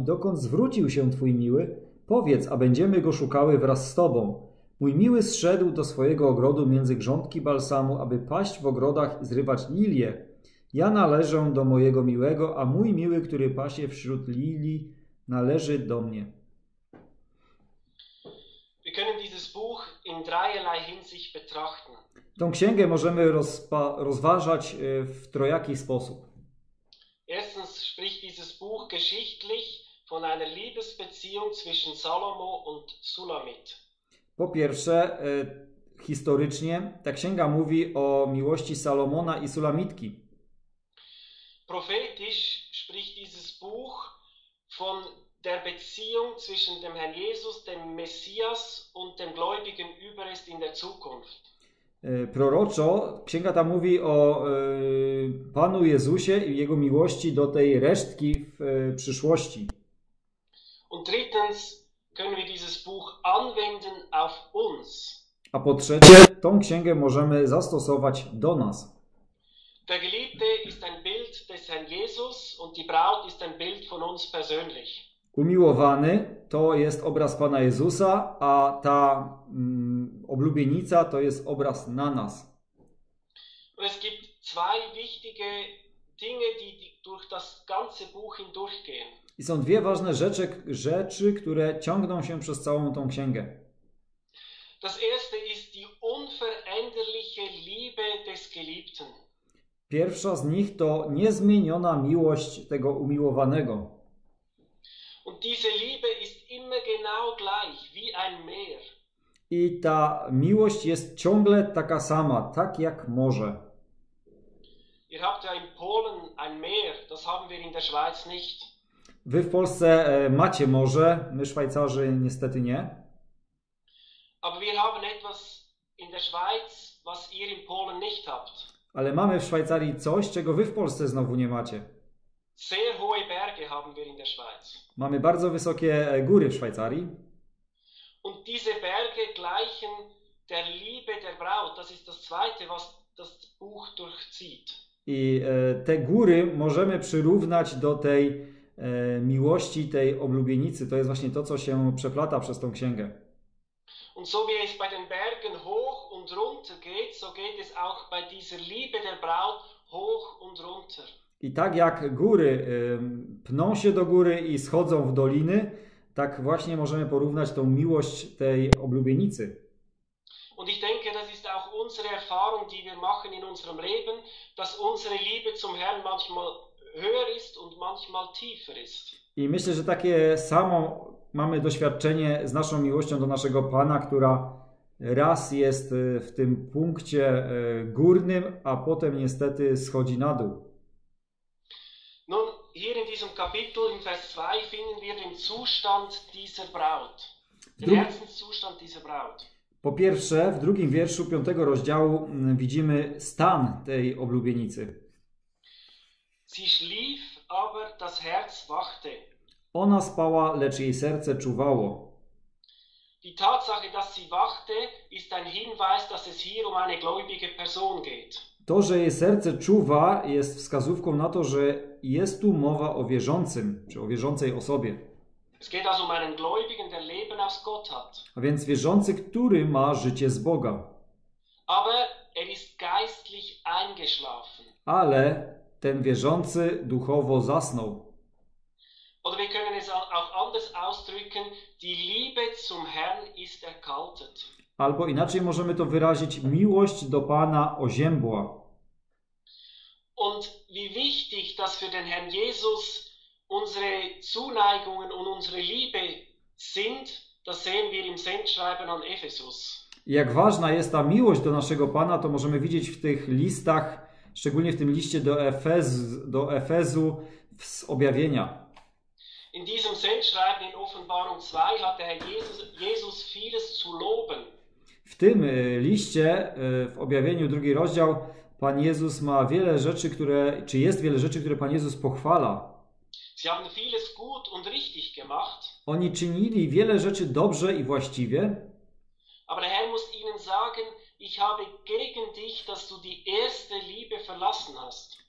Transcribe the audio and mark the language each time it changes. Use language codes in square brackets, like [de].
[pl] Dokąd zwrócił się twój miły? Powiedz, a będziemy go szukały wraz z tobą. Mój miły zszedł do swojego ogrodu między grządki balsamu, aby paść w ogrodach i zrywać lilie. Ja należę do mojego miłego, a mój miły, który pasie wśród lilii, należy do mnie. [de] Wir können dieses Buch in dreierlei Hinsicht betrachten. [pl] Tą księgę możemy rozważać w trojaki sposób. [de] Erstens spricht dieses Buch geschichtlich von einer Liebesbeziehung zwischen Salomo und Sulamit. [pl] Po pierwsze, historycznie ta księga mówi o miłości Salomona i Sulamitki. [de] Prophetisch spricht dieses Buch von der Beziehung zwischen dem Herrn Jesus, dem Messias und dem gläubigen Überrest in der Zukunft. [pl] Proroczo księga ta mówi o Panu Jezusie i jego miłości do tej resztki w przyszłości. [de] Und drittens können wir dieses Buch anwenden auf uns. [pl] A po trzecie, tą księgę możemy zastosować do nas. [de] Der Geliebte ist ein Bild des Herrn Jesus und die Braut ist ein Bild von uns persönlich. [pl] Umiłowany to jest obraz Pana Jezusa, a ta oblubienica to jest obraz na nas. [de] Und es gibt zwei wichtige Dinge, die durch das ganze Buch hindurchgehen. [pl] I są dwie ważne rzeczy, które ciągną się przez całą tą księgę. [de] Das erste ist die unveränderliche Liebe des Geliebten. [pl] Pierwsza z nich to niezmieniona miłość tego umiłowanego. [de] Und diese Liebe ist immer genau gleich, wie ein Meer. [pl] I ta miłość jest ciągle taka sama, tak jak morze. [de] Ihr habt ja in Polen ein Meer, das haben wir in der Schweiz nicht. [pl] Wy w Polsce macie morze, my Szwajcarzy niestety nie. [de] Aber wir haben etwas in der Schweiz, was ihr in Polen nicht habt. [pl] Ale mamy w Szwajcarii coś, czego wy w Polsce znowu nie macie. [de] Sehr hohe Berge haben wir in der Schweiz. [pl] Mamy bardzo wysokie góry w Szwajcarii. [de] Und diese Berge gleichen der Liebe der Braut. Das ist das zweite, was das Buch durchzieht. [pl] I te góry możemy przyrównać do tej miłości, tej oblubienicy, to jest właśnie to, co się przeplata przez tą księgę. [de] Und so wie es bei den Bergen hoch und runter geht, so geht es auch bei dieser Liebe der Braut hoch und runter. [pl] I tak jak góry pną się do góry i schodzą w doliny, tak właśnie możemy porównać tą miłość tej oblubienicy. [de] Und ich denke, das ist auch unsere Erfahrung, die wir machen in unserem Leben, dass unsere Liebe zum Herrn manchmal höher ist und manchmal tiefer ist. [pl] I myślę, że takie samo mamy doświadczenie z naszą miłością do naszego Pana, która raz jest w tym punkcie górnym, a potem niestety schodzi na dół. [de] Nun, hier in diesem Kapitel, in Vers 2, finden wir den Zustand dieser Braut. Den Herzenszustand dieser Braut. [pl] Po pierwsze, w drugim wierszu 5 rozdziału widzimy stan tej oblubienicy. [de] Sie schlief, aber das Herz wachte. [pl] Ona spała, lecz jej serce czuwało. [de] Die Tatsache, dass sie wachte, ist ein Hinweis, dass es hier um eine gläubige Person geht. [pl] To, że jej serce czuwa, jest wskazówką na to, że jest tu mowa o wierzącym, czy o wierzącej osobie. [de] Es geht also um einen Gläubigen, der Leben aus Gott hat. [pl] A więc wierzący, który ma życie z Boga. [de] Aber er ist geistlich eingeschlafen. [pl] Ale ten wierzący duchowo zasnął. [de] Oder wir können es auch anders ausdrücken, die Liebe zum Herrn ist erkaltet. [pl] Albo inaczej możemy to wyrazić, miłość do Pana oziębła. [de] Und wie wichtig, dass für den Herrn Jesus unsere Zuneigungen und unsere Liebe sind, das sehen wir im Sendschreiben an Ephesus. [pl] Jak ważna jest ta miłość do naszego Pana, to możemy widzieć w tych listach, szczególnie w tym liście do Efezu z objawienia. [de] In diesem Sendschreiben in Offenbarung 2 hat der Herr Jesus vieles zu loben. [pl] W tym liście, w objawieniu drugi rozdział, Pan Jezus ma wiele rzeczy, które, czy jest wiele rzeczy, które Pan Jezus pochwala. [de] Sie haben vieles gut und richtig gemacht. [pl] Oni czynili wiele rzeczy dobrze i właściwie. [de] Aber der Herr muss ihnen sagen, ich habe gegen dich, dass du die erste Liebe verlassen hast.